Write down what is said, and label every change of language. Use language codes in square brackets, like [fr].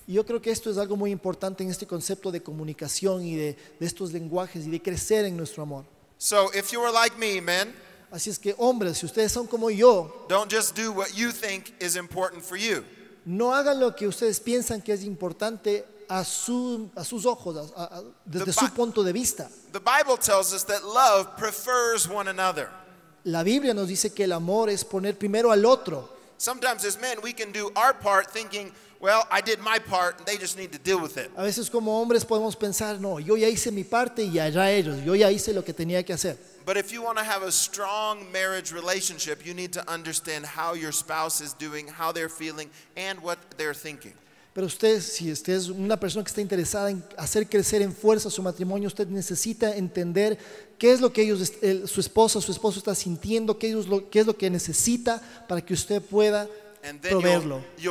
[es] Yo creo que esto es algo muy importante en este concepto de comunicación y de estos lenguajes y de crecer en nuestro amor. [en] So if you are like me, men, [es] así es que hombres, si ustedes son como yo, [en] don't just do what you think is important for you. [es] No hagan lo que ustedes piensan que es importante a sus ojos, desde su punto de vista. [en] The Bible tells us that love prefers one another. [es] La Biblia nos dice que el amor es poner primero al otro. [en] Sometimes as men we can do our part thinking, well, I did my part and they just need to deal with it. [es] A veces como hombres podemos pensar, no, yo ya hice mi parte y allá ellos, yo ya hice lo que tenía que hacer. [en] But if you want to have a strong marriage relationship, you need to understand how your spouse is doing, how they're feeling, and what they're thinking. [es] Pero usted, si usted es una persona que está interesada en hacer crecer en fuerza su matrimonio, usted necesita entender qué es lo que ellos, su esposa, su esposo está sintiendo, qué es lo que necesita para que usted pueda proveerlo.